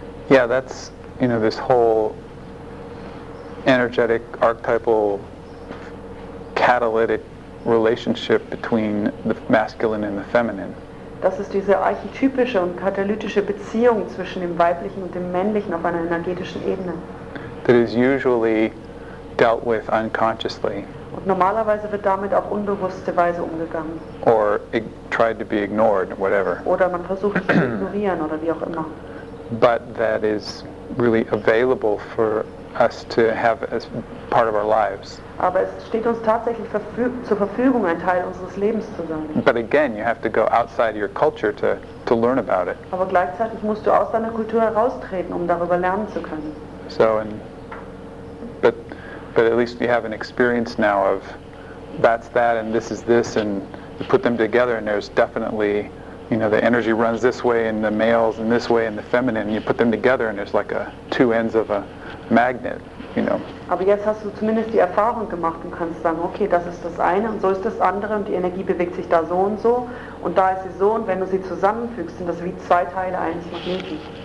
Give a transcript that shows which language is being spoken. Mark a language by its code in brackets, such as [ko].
[en] Yeah, that's, you know, this whole energetic, archetypal, catalytic relationship between the masculine and the feminine. [de] Das ist diese archetypische und katalytische Beziehung zwischen dem Weiblichen und dem Männlichen auf einer energetischen Ebene. [en] That is usually dealt with unconsciously. [de] Und normalerweise wird damit auf unbewusste Weise umgegangen. [en] Or tried to be ignored, whatever. [de] Oder man versucht es zu ignorieren oder wie auch immer. [en] But that is really available for us to have as part of our lives. [de] Aber es steht uns tatsächlich zur Verfügung, ein Teil unseres Lebens zu sein. [en] But again, you have to go outside your culture to learn about it. [de] Aber gleichzeitig musst du aus deiner Kultur heraustreten, um darüber lernen zu können. [en] So, but at least you have an experience now of that's that and this is this, and you put them together and there's definitely, you know, the energy runs this way in the males and this way in the feminine, and you put them together and there's like a two ends of a magnet, you know. [de] Aber jetzt hast du zumindest die Erfahrung gemacht und kannst sagen, okay, das ist das eine und so ist das andere und die Energie bewegt sich da so und so und da ist sie so, und wenn du sie zusammenfügst, sind das wie zwei Teile eines Magneten.